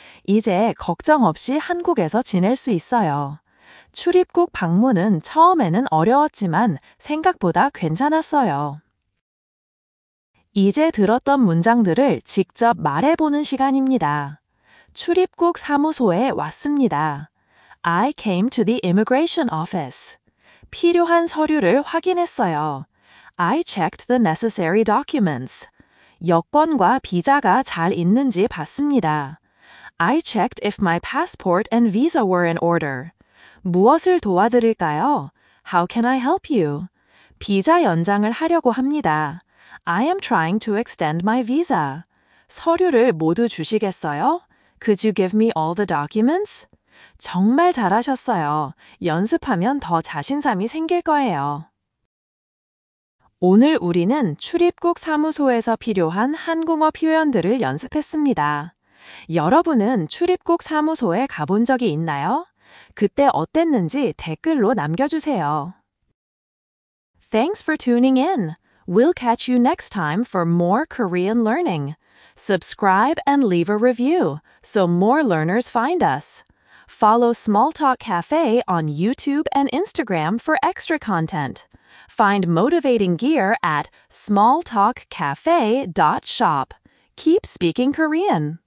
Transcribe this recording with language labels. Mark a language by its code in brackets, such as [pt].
[ko] 이제 걱정 없이 한국에서 지낼 수 있어요. 출입국 방문은 처음에는 어려웠지만 생각보다 괜찮았어요. 이제 들었던 문장들을 직접 말해보는 시간입니다. 출입국 사무소에 왔습니다. [en] I came to the immigration office. [ko] 필요한 서류를 확인했어요. [en] I checked the necessary documents. [ko] 여권과 비자가 잘 있는지 봤습니다. [en] I checked if my passport and visa were in order. [ko] 무엇을 도와드릴까요? [en] How can I help you? [ko] 비자 연장을 하려고 합니다. [en] I am trying to extend my visa. [ko] 서류를 모두 주시겠어요? [en] Could you give me all the documents? [ko] 정말 잘하셨어요. 연습하면 더 자신감이 생길 거예요. 오늘 우리는 출입국 사무소에서 필요한 한국어 표현들을 연습했습니다. 여러분은 출입국 사무소에 가본 적이 있나요? 그때 어땠는지 댓글로 남겨주세요. [en] Thanks for tuning in. We'll catch you next time for more Korean learning. Subscribe and leave a review so more learners find us. Follow Small Talk Cafe on YouTube and Instagram for extra content. Find motivating gear at smalltalkcafe.shop. Keep speaking Korean!